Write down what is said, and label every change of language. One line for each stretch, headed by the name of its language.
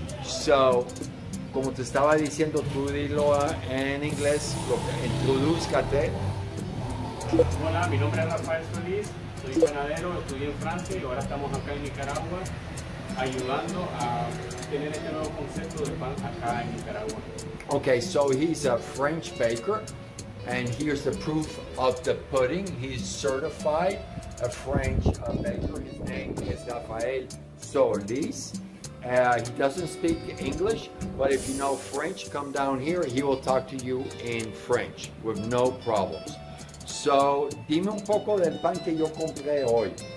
Spanish: So, como te estaba diciendo, tú dilo en inglés, introduzcate. Hola, mi nombre es Rafael Solís, soy panadero, estudié en Francia y ahora estamos acá en Nicaragua ayudando a tener este nuevo concepto de pan acá en Nicaragua.
English: Okay, so he's a French baker, and here's the proof of the pudding. He's certified a French baker. His name is Rafael Solís. He doesn't speak English, but if you know French, come down here. He will talk to you in French with no problems.
Spanish: So, dime un poco del pan que yo compré hoy.